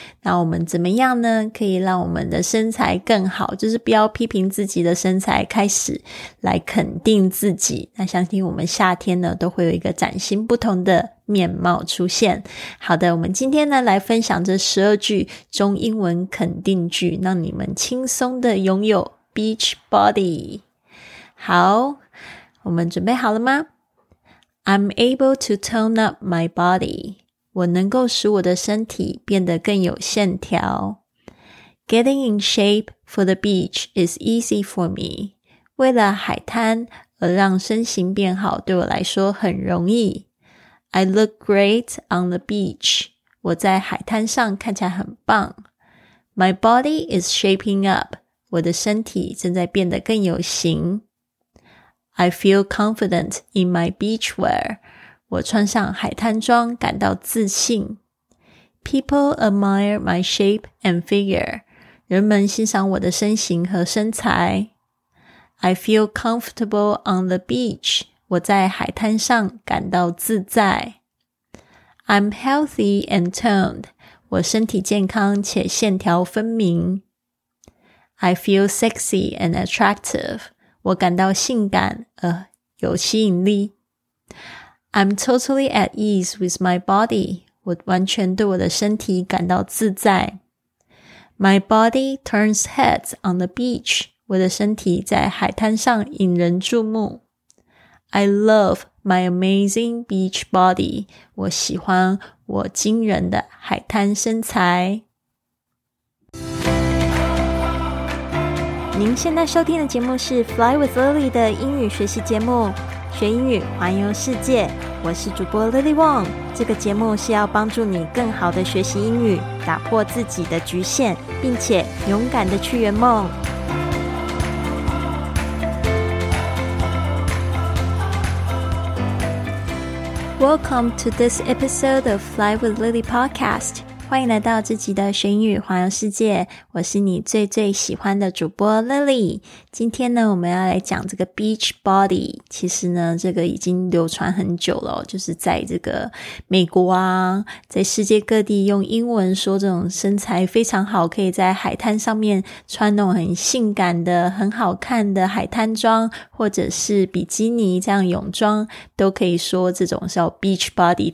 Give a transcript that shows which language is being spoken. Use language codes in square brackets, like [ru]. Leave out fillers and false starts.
[zh] 那我们怎么样呢，可以让我们的身材更好，就是不要批评自己的身材，开始来肯定自己。那相信我们夏天呢都会有一个崭新不同的面貌出现。好的，我们今天呢来分享这12句中英文肯定句，让你们轻松的拥有 beach body。好，我们准备好了吗？ [en] I'm able to tone up my body. [zh] 我能够使我的身体变得更有线条。 [en] Getting in shape for the beach is easy for me. [zh] 为了海滩而让身形变好对我来说很容易。 [en] I look great on the beach. [zh] 我在海滩上看起来很棒。 [en] My body is shaping up. [zh] 我的身体正在变得更有型。 [en] I feel confident in my beach wear. [zh] 我穿上海滩装感到自信。 [en] People admire my shape and figure. [zh] 人们欣赏我的身形和身材。 [en] I feel comfortable on the beach. [zh] 我在海滩上感到自在。 [en] I'm healthy and toned. [zh] 我身体健康且线条分明。 [en] I feel sexy and attractive. [zh] 我感到性感而有吸引力。 [en] I'm totally at ease with my body. [zh] 我完全对我的身体感到自在。 [en] My body turns heads on the beach. [zh] 我的身体在海滩上引人注目。 [en] I love my amazing beach body. [zh] 我喜欢我惊人的海滩身材。您现在收听的节目是 Fly with Lily 的英语学习节目，学英语环游世界。我是主播 Lily Wong。这个节目是要帮助你更好的学习英语，打破自己的局限，并且勇敢的去圆梦。 [en] Welcome to this episode of Fly with Lily podcast. [zh] 欢迎来到这集的学英语环游世界，我是你最最喜欢的主播 Lily。今天呢我们要来讲这个 beach body。其实呢这个已经流传很久了，就是在这个美国啊，在世界各地用英文说这种身材非常好，可以在海滩上面穿那种很性感的很好看的海滩装，或者是比基尼这样泳装，都可以说这种叫 beach body。